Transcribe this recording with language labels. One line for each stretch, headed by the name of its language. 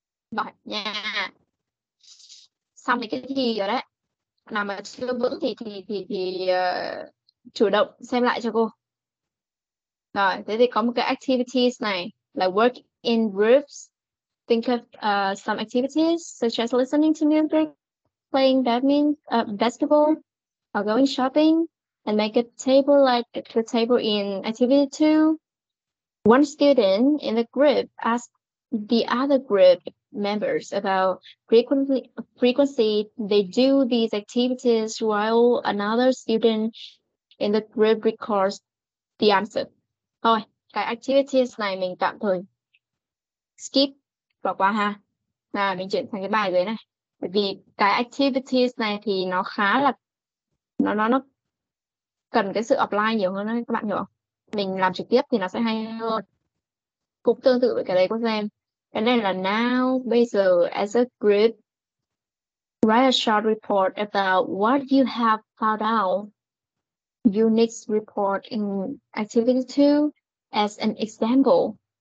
Vietnamese: Bài nha. Xong thì cái thì rồi đấy. Nào mà chưa vững thì chủ động xem lại cho cô. Rồi, thế thì có một cái activities này là
English: work in groups. Think of some activities such as listening to music, playing basketball, or going shopping, and make a table like the table in activity 2. One student in the group asks the other group members about frequency they do these activities, while another student in the group records the answer.
Vietnamese: Thôi, cái activities này mình tạm thời skip, bỏ qua ha. Nào, mình chuyển sang cái bài dưới này. Bởi vì cái activities này thì nó khá là, nó cần cái sự offline nhiều hơn đấy, các bạn hiểu không? Mình làm trực tiếp thì nó sẽ hay hơn. Cũng tương tự với cái đấy, các em. Cái này là
English: now,
Vietnamese: bây giờ,
English: as a group, Write a short report about what you have found out. You need to report in activity 2 as an example.